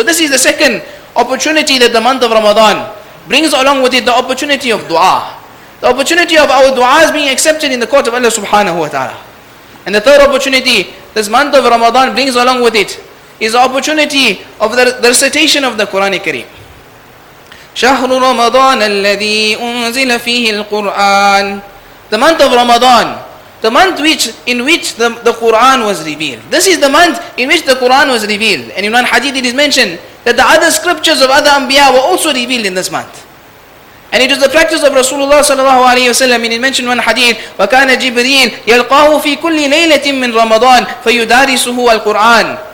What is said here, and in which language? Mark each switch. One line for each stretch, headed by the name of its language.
English: So this is the second opportunity that the month of Ramadan brings along with it, the opportunity of dua, the opportunity of our du'as being accepted in the court of Allah subhanahu wa ta'ala. And the third opportunity this month of Ramadan brings along with it is the opportunity of the recitation of the Quran Kareem.
Arabic: شهر رمضان الذي أنزل فيه القرآن.
English: The month of Ramadan, the month in which the Quran was revealed. This is the month in which the Quran was revealed. And in one hadith it is mentioned that the other scriptures of other Anbiya were also revealed in this month. And it was the practice of Rasulullah sallallahu alayhi wa sallam, and it mentioned one hadith,
Arabic: وَكَانَ جِبْرِيلُ يَلْقَاهُ فِي كُلِّ لَيْلَةٍ مِّن رَمَضَانٍ فَيُدَارِسُهُ الْقُرْآنِ.